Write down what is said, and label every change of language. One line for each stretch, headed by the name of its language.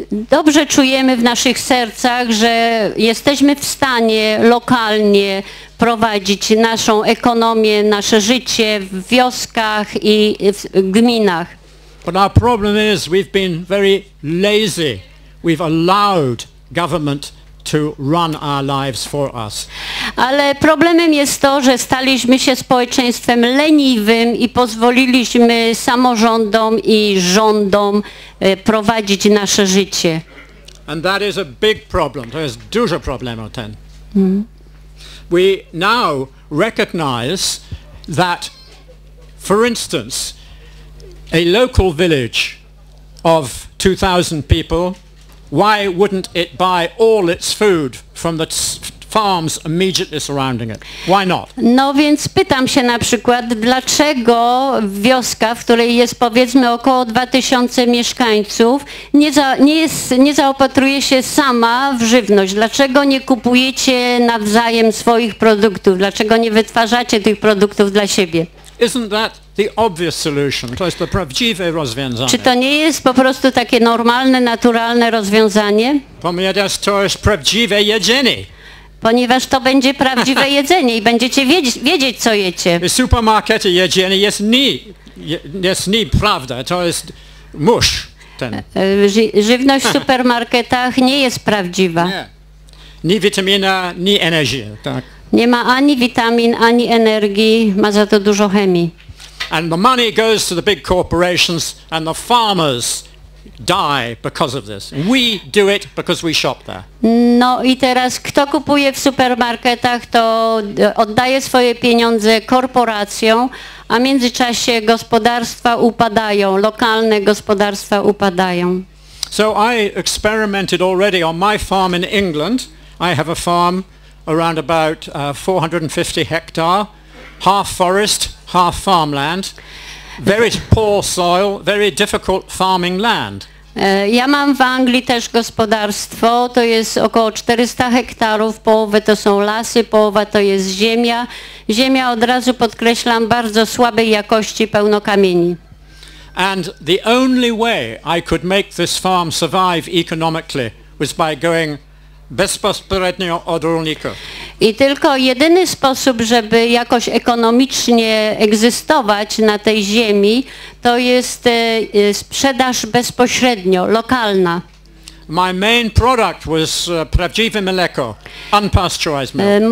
Polish: Dobrze czujemy w naszych sercach, że jesteśmy w stanie lokalnie prowadzić naszą ekonomię, nasze życie w wioskach i w gminach.
English: But our problem is we've been very lazy. We've allowed government to run our lives for us.
Polish: Ale problemem jest to, że staliśmy się społeczeństwem leniwym i pozwoliliśmy samorządom i rządom prowadzić nasze życie.
English: And that is a big problem.
Polish: To jest duży problem o ten.
English: We now recognize that, for instance, a local village of 2,000 people, why wouldn't it buy all its food from the farms immediately surrounding it? Why not?
Polish: No więc pytam się na przykład, dlaczego wioska, w której jest powiedzmy około 2000 mieszkańców, nie zaopatruje się sama w żywność? Dlaczego nie kupujecie nawzajem swoich produktów? Dlaczego nie wytwarzacie tych produktów dla siebie?
English: Isn't that the obvious solution?
Polish: To jest to prawdziwe rozwiązanie. Czy to nie jest po prostu takie normalne, naturalne rozwiązanie? Ponieważ to jest prawdziwe jedzenie. Ponieważ to będzie prawdziwe jedzenie i będziecie wiedzieć, co jecie. W supermarkecie jedzenie jest nie prawda, to jest mórz ten. Żywność w supermarketach nie jest prawdziwa. Nie. Ni witamina, ni energia, tak. Nie ma ani witamin, ani energii, ma za to dużo chemii.
English: And the money goes to the big corporations and the farmers die because of this. We do it because we shop there.
Polish: No i teraz kto kupuje w supermarketach, to oddaje swoje pieniądze korporacjom, a w międzyczasie gospodarstwa upadają, lokalne gospodarstwa upadają.
English: So I experimented already on my farm in England. I have a farm around about 450 hectare, half forest, half farmland, very poor soil, very difficult farming land.
Polish: Ja mam w Anglii też gospodarstwo, to jest około 400 hektarów, połowę to są lasy, połowa to jest ziemia. Ziemia, od razu podkreślam, bardzo słabej jakości, pełno kamieni.
English: And the only way I could make this farm survive economically was by going
Polish: bezpośrednio od rolnika. I tylko jedyny sposób, żeby jakoś ekonomicznie egzystować na tej ziemi, to jest sprzedaż bezpośrednio, lokalna.
English: My main product was
Polish: prawdziwe mleko,
English: unpasteurized milk.